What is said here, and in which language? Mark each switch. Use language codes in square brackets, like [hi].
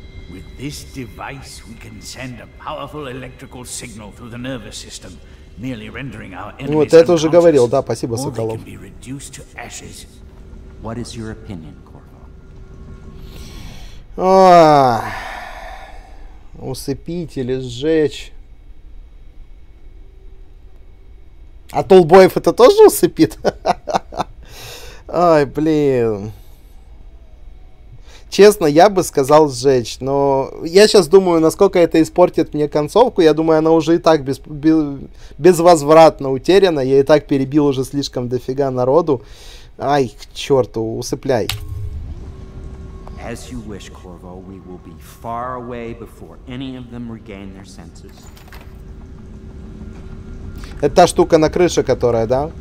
[en] With this device we can send a powerful electrical signal through the nervous system, merely rendering our enemies unconscious. [ru] Вот это уже говорил, да, спасибо, Соколов. [en] What is your opinion, Corvo? [ru] Усыпить или сжечь. А Толбоев это тоже усыпит? Ай, блин. Честно, я бы сказал сжечь, но я сейчас думаю, насколько это испортит мне концовку. Я думаю, она уже и так безвозвратно утеряна. Я и так перебил уже слишком дофига народу. Ай, к черту, усыпляй. [en] As you wish, Corvo, we will be far away before any of them regain their senses. [ru] Это та штука на крыше, которая, да?